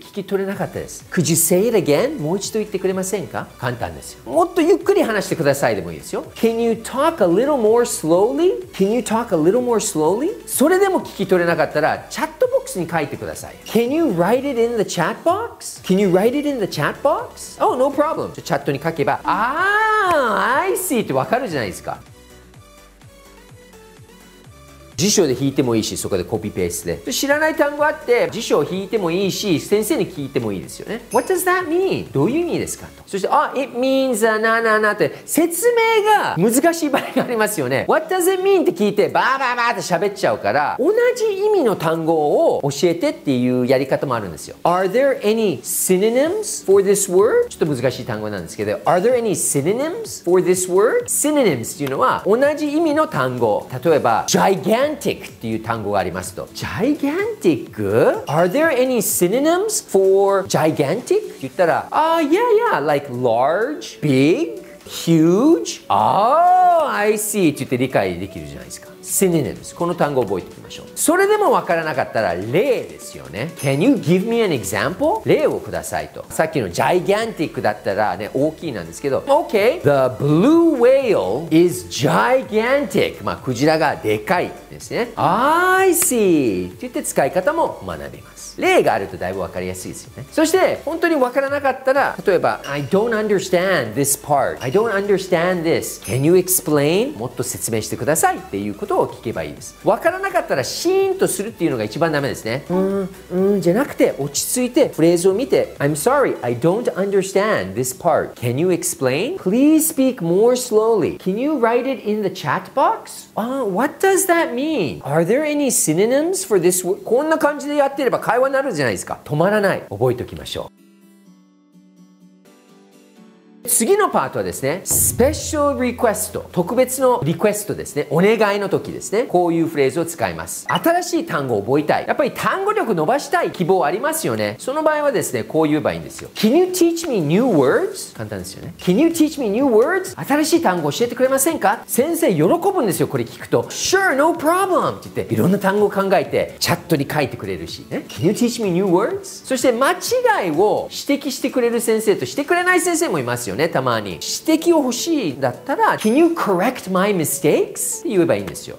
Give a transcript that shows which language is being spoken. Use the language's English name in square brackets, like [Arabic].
[Japanese] 聞き取れなかったです。 [English] Could you say it again? [Japanese] もう一度言ってくれませんか。簡単ですよ。もっとゆっくり話してくださいでもいいですよ。 [English] Can you talk a little more slowly? Can you talk a little more slowly? [Japanese] それでも聞き取れなかったらチャットボックスに書いてください。 [English] Can you write itIn the chat box? Can you write it in the chat box? Oh, no problem. [Japanese] チャットに書けば、 [English] I see [Japanese] ってわかるじゃないですか。辞書で引いてもいいし、そこでコピーペーストで。知らない単語あって、辞書を引いてもいいし、先生に聞いてもいいですよね。 [English] What does that mean? [Japanese] どういう意味ですかと。そして、 [English] it means a na na na [Japanese] って、説明が難しい場合がありますよね。 [English] What does it mean? [Japanese] って聞いて、バーバーバーって喋っちゃうから、同じ意味の単語を教えてっていうやり方もあるんですよ。 [English] Are there any synonyms for this word? [Japanese] ちょっと難しい単語なんですけど、 [English] Are there any synonyms for this word? [Japanese] Synonyms っていうのは、同じ意味の単語。例えば、Gigantic っていう単語がありますと。 [English] Gigantic? Are there any synonyms for gigantic? [Japanese] って言ったら、 [English] yeah, yeah, like large, big, huge. Oh, I see. [Japanese] って言って理解できるじゃないですか。 [English] Synonyms. [Japanese] この単語を覚えておきましょう。それでもわからなかったら例ですよね。 [English] Can you give me an example? [Japanese] 例をくださいと。さっきの gigantic だったらね、大きいなんですけど。 [English] Okay. The blue whale is gigantic. [Japanese] まあ、クジラがでかいですね。 [English] I see. [Japanese] って言って使い方も学びます。例があるとだいぶわかりやすいですよね。そして、本当にわからなかったら、例えば、 [English] I don't understand this part. I don't understand this. Can you explain? [Japanese] もっと説明してくださいっていうことを聞けばいいです。わからなかったら、シーンとするっていうのが一番ダメですね。じゃなくて、落ち着いてフレーズを見て、 [English] I'm sorry, I don't understand this part. Can you explain? Please speak more slowly. Can you write it in the chat box? What does that mean? Are there any synonyms for this word? [Japanese] こんな感じでやってれば、会話になるじゃないですか。止まらない。覚えておきましょう。次のパートはですね、スペシャルリクエスト、特別のリクエストですね、お願いの時ですね。こういうフレーズを使います。新しい単語を覚えたい、やっぱり単語力伸ばしたい希望ありますよね。その場合はですね、こう言えばいいんですよ。 [English] Can you teach me new words? [Japanese] 簡単ですよね。 [English] Can you teach me new words? [Japanese] 新しい単語教えてくれませんか。先生喜ぶんですよ、これ聞くと。 [English] Sure, no problem! [Japanese] って言って、いろんな単語を考えてチャットに書いてくれるし、ね、 [English] Can you teach me new words? [Japanese] そして間違いを指摘してくれる先生としてくれない先生もいますよね。たまに指摘を欲しいだったら [English] Can you correct my mistakes? [Japanese] って言えばいいんですよ。